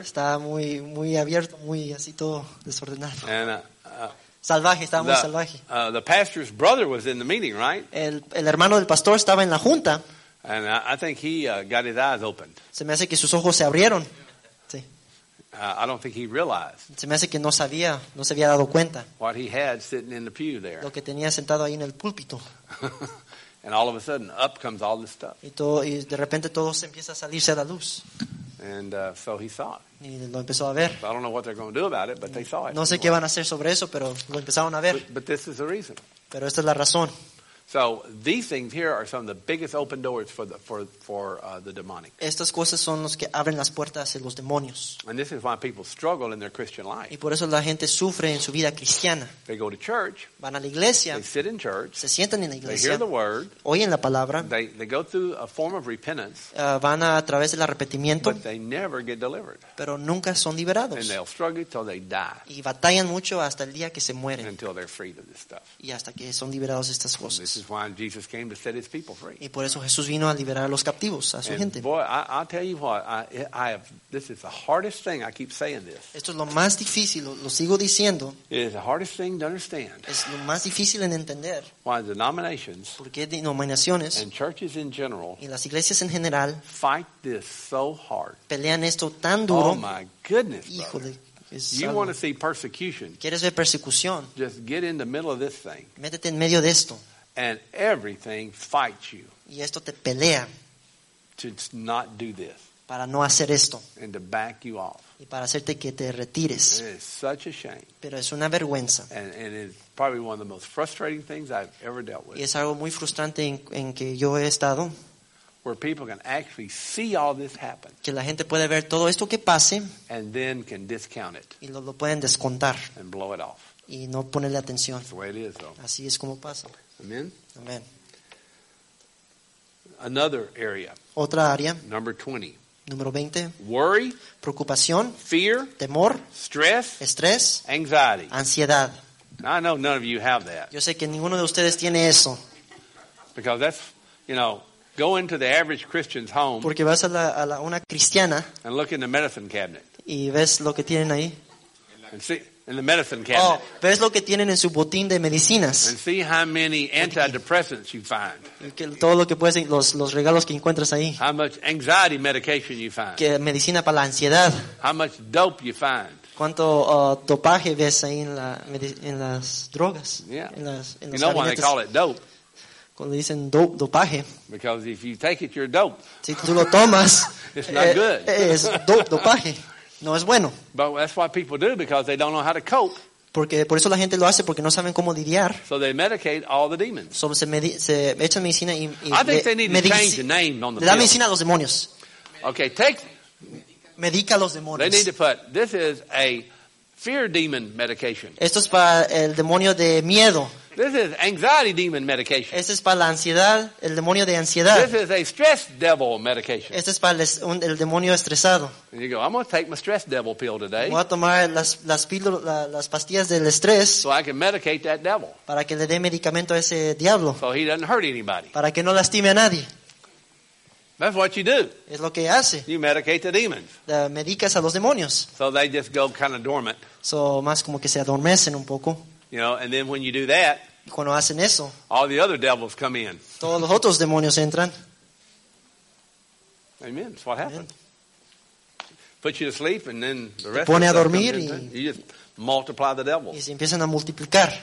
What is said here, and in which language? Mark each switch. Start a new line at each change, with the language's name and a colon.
Spanish: Estaba muy muy abierto, muy así todo desordenado.
English: And
Spanish: salvaje, estaba muy salvaje.
English: The pastor's brother was in the meeting, right?
Spanish: El hermano del pastor estaba en la junta.
English: And I think he got his eyes opened.
Spanish: Se me hace que sus ojos se abrieron. Sí.
English: I don't think he realized.
Spanish: Se me hace que no se había dado cuenta.
English: What he had sitting in the pew there.
Spanish: Lo que tenía sentado ahí en el púlpito.
English: And all of a sudden, up comes all this stuff.
Spanish: Y de repente todo se empieza a salirse a la luz.
English: And so he saw it.
Spanish: Y lo empezó a ver.
English: So I don't know what they're going to do about it, but they saw it.
Spanish: No sé qué van a hacer sobre eso, pero lo empezaron a ver.
English: But this is the reason.
Spanish: Pero esta es la razón.
English: So these things here are some of the biggest open doors for the demonic.
Spanish: Estas cosas son los que abren las puertas hacia los demonios.
English: And this is why people struggle in their Christian life.
Spanish: Y por eso la gente sufre en su vida cristiana.
English: They go to church.
Spanish: Van a la iglesia.
English: They sit in church.
Spanish: Se sientan en la iglesia.
English: They hear the word.
Spanish: Oyen la palabra.
English: They go through a form of repentance.
Spanish: Van a través del arrepentimiento.
English: But they never get delivered.
Spanish: Pero nunca son liberados.
English: And they'll struggle till they die.
Spanish: Y batallan mucho hasta el día que se mueren.
English: Until they're free of this stuff.
Spanish: Y hasta que son liberados de estas cosas.
English: This is why Jesus came to set his people free.
Spanish: Y por eso Jesús vino a liberar a los cautivos, a su
English: and
Spanish: gente.
English: Boy, I'll tell you what, this is the hardest thing, I keep saying this.
Spanish: Esto es lo más difícil, lo sigo diciendo.
English: It is the hardest thing to understand.
Spanish: Es lo más difícil en entender.
English: Why denominations.
Spanish: Porque denominaciones.
English: And churches in general.
Spanish: Y las iglesias en general.
English: Fight this so hard.
Spanish: Pelean esto tan duro.
English: Oh my goodness, brother.
Spanish: Híjole.
English: You want to see persecution.
Spanish: Quieres ver persecución.
English: Just get in the middle of this thing.
Spanish: Métete en medio de esto.
English: And everything fights you.
Spanish: Y esto te pelea.
English: To not do this.
Spanish: Para no hacer esto.
English: And to back you off.
Spanish: Y para hacerte que te retires.
English: It is such a shame.
Spanish: Pero es una vergüenza.
English: And it's probably one of the most frustrating things I've ever dealt with.
Spanish: Y es algo muy frustrante en que yo he estado.
English: Where people can actually see all this happen.
Spanish: Que la gente puede ver todo esto que pase.
English: And then can discount it.
Spanish: Y lo pueden descontar.
English: And blow it off.
Spanish: Y no ponerle atención.
English: That's the way it is, though.
Spanish: Así es como pasa.
English: Amen.
Spanish: Amen.
English: Another area.
Spanish: Otra área.
English: Number 20.
Spanish: Número 20.
English: Worry.
Spanish: Preocupación.
English: Fear.
Spanish: Temor.
English: Stress.
Spanish: Estrés.
English: Anxiety.
Spanish: Ansiedad.
English: I know none of you have that.
Spanish: Yo sé que ninguno de ustedes tiene eso.
English: Because that's, you know, go into the average Christian's home.
Spanish: Porque vas a la una cristiana.
English: And look in the medicine cabinet.
Spanish: Y ves lo que tienen ahí.
English: And see. In the medicine cabinet.
Spanish: Oh, ves lo que tienen en su botín de medicinas.
English: And see how many antidepressants you find.
Spanish: Todo lo que puedes, los regalos que encuentras ahí.
English: How much anxiety medication you find.
Spanish: Que medicina para la ansiedad.
English: How much dope you find.
Spanish: Cuánto dopaje ves ahí en las drogas.
English: Yeah.
Spanish: En los
English: you know why they call it dope.
Spanish: Cuando dicen dope, dopaje.
English: Because if you take it, you're dope.
Spanish: Si tú lo tomas.
English: It's not good.
Spanish: Es dope, dopaje. No es bueno.
English: But that's why people do, because they don't know how to cope.
Spanish: Porque por eso la gente lo hace, porque no saben cómo lidiar.
English: So they medicate all the demons.
Spanish: So se echan medicina y
English: I think they need to change the name on the
Spanish: pill. Medicina a los demonios.
English: Okay, take.
Spanish: Medica a los demonios.
English: They need to put, this is a fear demon medication.
Spanish: Esto es para el demonio de miedo.
English: This is anxiety demon medication.
Spanish: Este es para la ansiedad, el demonio de ansiedad.
English: This is a stress devil medication.
Spanish: Este es para el demonio estresado.
English: And you go, I'm going to take my stress devil pill today.
Spanish: Voy a tomar las pastillas del estrés.
English: So I can medicate that devil.
Spanish: Para que le dé medicamento a ese diablo.
English: So he doesn't hurt anybody.
Spanish: Para que no lastime a nadie.
English: That's what you do.
Spanish: Es lo que hace.
English: You medicate the demons.
Spanish: Medicas a los demonios.
English: So they just go kind of dormant.
Spanish: So más como que se adormecen un poco.
English: You know, and then when you do that,
Spanish: cuando hacen eso,
English: all the other devils come in.
Spanish: Todos los otros demonios entran.
English: Amen. That's what happened. Put you to sleep, and then the rest.
Spanish: Te pone
English: of
Spanish: a dormir
English: comes
Spanish: y
English: in, you just multiply the devils.
Spanish: Y se empiezan a multiplicar.